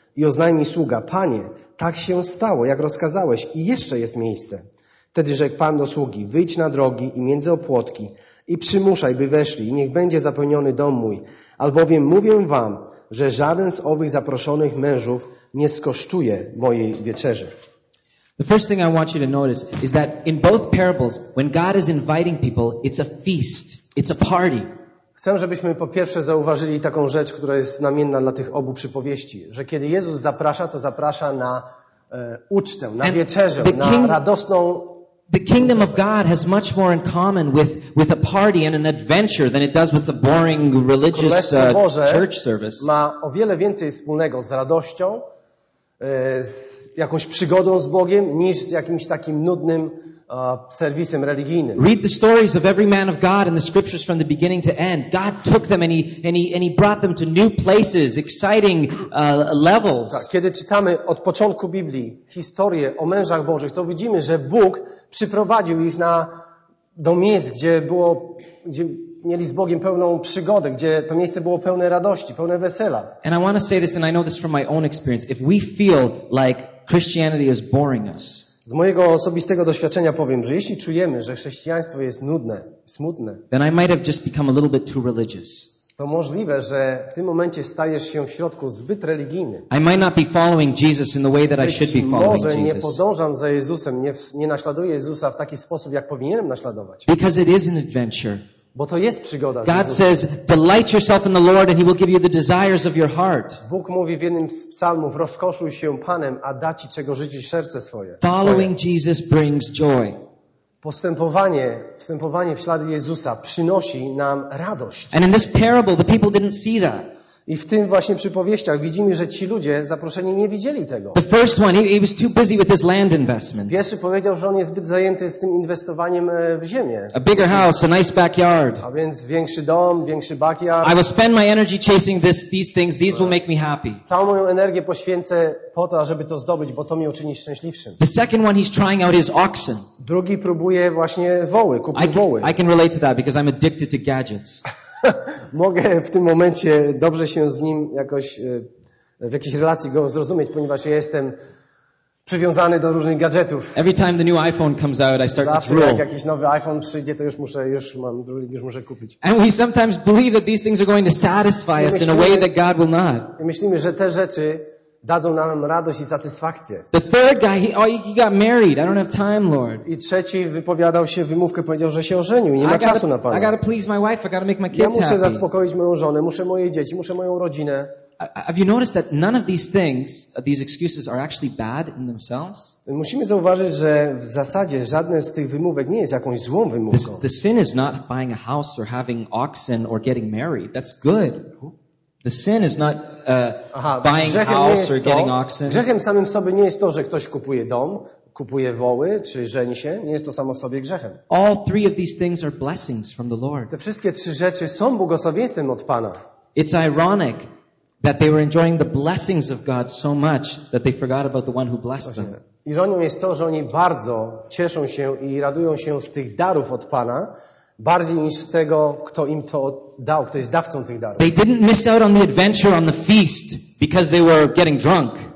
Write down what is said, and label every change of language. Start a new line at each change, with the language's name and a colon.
Polish: I oznajmij sługa, panie, tak się stało, jak rozkazałeś i jeszcze jest miejsce. Wtedy rzekł pan do sługi, wyjdź na drogi i między opłotki i przymuszaj, by weszli i niech będzie zapełniony dom mój. Albowiem mówię wam, że żaden z owych zaproszonych mężów nie skosztuje mojej wieczerzy.
English: The first thing I want you to notice is that in both parables, when God is inviting people, it's a feast, it's a party.
Polish: Chcę, żebyśmy po pierwsze zauważyli taką rzecz, która jest znamienna dla tych obu przypowieści, że kiedy Jezus zaprasza, to zaprasza na ucztę, na wieczerzę, na radosną.
English: The kingdom of God has much more in common with a party and an adventure than it does with a boring religious church service.
Polish: Ma o wiele więcej wspólnego z radością, z jakąś przygodą z Bogiem, niż z jakimś takim nudnym serwisem religijnym.
English: Read the stories of every man of God in the scriptures from the beginning to end. God took them and he brought them to new places, exciting levels.
Polish: Kiedy czytamy od początku Biblii historię o mężach Bożych, to widzimy, że Bóg przyprowadził ich do miejsc, gdzie mieli z Bogiem pełną przygodę, gdzie to miejsce było pełne radości, pełne wesela.
English: And I want to say this, and I know this from my own experience. If we feel like Christianity is boring us.
Polish: Z mojego osobistego doświadczenia powiem, że jeśli czujemy, że chrześcijaństwo jest nudne, smutne,
English: then I might have just become a little bit too religious.
Polish: To możliwe, że w tym momencie stajesz się w środku zbyt religijny.
English: I might not be following Jesus in the way that I should be following Jesus.
Polish: Może nie podążam za Jezusem, nie naśladuję Jezusa w taki sposób, jak powinienem naśladować.
English: Because it is an adventure.
Polish: Bo to jest przygoda.
English: God says, delight yourself in the Lord and he will give you the desires of your heart.
Polish: Bóg mówi w jednym z psalmów, rozkoszuj się Panem, a da ci czego życzy serce swoje.
English: Following Jesus brings joy.
Polish: Postępowanie w ślady Jezusa przynosi nam radość.
English: And in this parable, the people didn't see that.
Polish: I w tym właśnie przypowieściach widzimy, że ci ludzie zaproszeni nie widzieli tego.
English: The first one, he was too busy with his land investment.
Polish: Pierwszy powiedział, że on jest zbyt zajęty z tym inwestowaniem w ziemię.
English: A bigger house, a nice backyard.
Polish: A więc większy dom, większy backyard.
English: I will spend my energy chasing these things. These will make me happy.
Polish: Całą moją energię poświęcę po to, żeby to zdobyć, bo to mnie uczyni szczęśliwszym.
English: The second one he's trying out is oxen.
Polish: Drugi próbuje właśnie woły, kupuje woły.
English: I can relate to that because I'm addicted to gadgets.
Polish: Mogę w tym momencie dobrze się z nim jakoś w jakiejś relacji go zrozumieć, ponieważ ja jestem przywiązany do różnych gadżetów.
English: Every time the new iPhone comes out, I start
Polish: zawsze
English: to drool.
Polish: Jak jakiś nowy iPhone przyjdzie, to już muszę kupić.
English: And we sometimes believe that these things are going to satisfy us in a way that God will not.
Polish: I myślimy, że te rzeczy dadzą nam radość i satysfakcję.
English: The third guy, he got married. I don't have time, Lord.
Polish: I trzeci wypowiadał się wymówkę, powiedział, że się ożenił, nie ma czasu na pana.
English: I gotta please my wife, I gotta make my kids happy.
Polish: Ja muszę zaspokoić moją żonę, muszę moje dzieci, muszę moją rodzinę.
English: Have you noticed that none of these things, these excuses are actually bad in themselves?
Polish: Musimy zauważyć, że w zasadzie żadne z tych wymówek nie jest jakąś złą wymówką.
English: The sin is not buying a house or having oxen or getting married. That's good. The sin is not buying a house or getting oxen.
Polish: Grzechem samym w sobie nie jest to, że ktoś kupuje dom, kupuje woły, czy żeni się. Nie jest to samo w sobie grzechem.
English: All three of these things are blessings from the Lord.
Polish: Te wszystkie trzy rzeczy są błogosławieństwem od Pana.
English: It's ironic that they were enjoying the blessings of God so much that they forgot about the one who blessed them.
Polish: Ironią jest to, że oni bardzo cieszą się i radują się z tych darów od Pana, bardziej niż z tego, kto im to dał, kto jest dawcą tych darów.
English: They didn't miss out on the adventure on the feast because they were getting drunk.